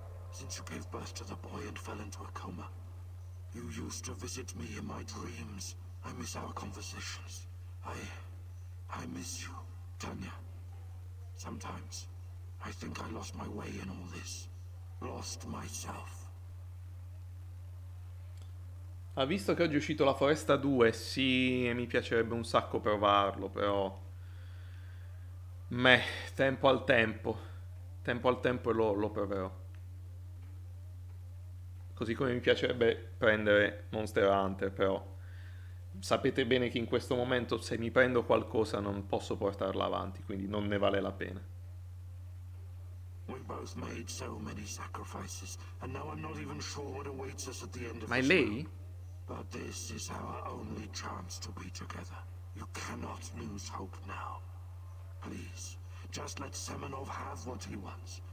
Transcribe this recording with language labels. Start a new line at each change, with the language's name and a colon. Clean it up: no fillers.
English: Since you gave birth to the boy and fell into a coma, you used to visit me in my dreams. I miss our conversations. I miss you, Tanya. Sometimes, I think I lost my way in all this. Lost myself.
Italian: Ha visto che oggi è uscito La Foresta 2? Sì, e mi piacerebbe un sacco provarlo, però. Meh, tempo al tempo. Tempo al tempo e lo proverò. Così come mi piacerebbe prendere Monster Hunter, però. Sapete bene che in questo momento, se mi prendo qualcosa, non posso portarla avanti, quindi non ne vale la pena.
English: We both made so many sacrifices, and now I'm not even sure what awaits us at the end of
Italian: Ma è
English: this road.
Italian: lei?
English: But this is our only chance to be together. You cannot lose hope now. Please, just let Semenov have what he wants.